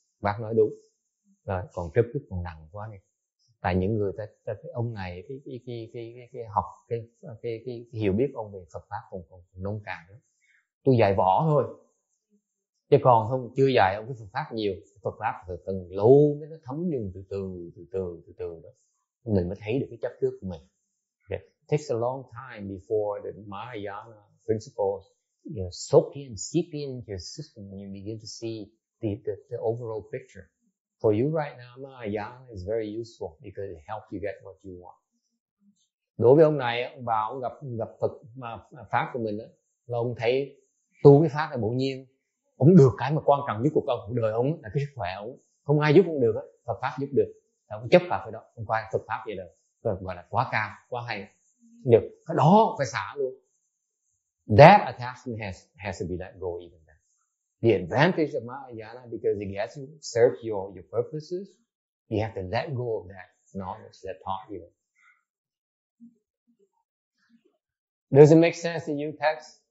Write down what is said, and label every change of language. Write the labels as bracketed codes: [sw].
[vi] Bác nói đúng, là còn chấp trước còn nặng quá này. Tại những người ta cái ông này cái học cái hiểu biết ông về Phật pháp còn nông cạn lắm. Tôi dạy võ thôi, chứ còn không chưa dạy ông cái Phật pháp nhiều. Phật pháp từ từng lâu mới nó thấm nhuần từ từ đó, mình mới thấy được cái chấp trước của mình. [en] It takes a long time before the Mahayana principles, you know, soak in, seep in your system, and you begin to see the overall picture. For you right now, Mahayana is very useful because it helps you get what you want. [vi] Đối với ông này, ông bảo ông gặp Phật pháp của mình đó, là ông thấy tu cái pháp này bổ nhiên. Ông được cái mà quan trọng nhất của cuộc đời ông là cái sức khỏe ông. Không ai giúp ông được hết, Phật pháp giúp được. Ông chấp vào cái đó, ông qua Phật pháp vậy được. Gọi là quá cao, quá hay. Được, cái đó phải xả luôn. [en] That attachment has to be let go even then. The advantage of Mahayana because it gets you, serves your purposes, you have to let go of that knowledge that taught you. Does it make sense to you, Tex?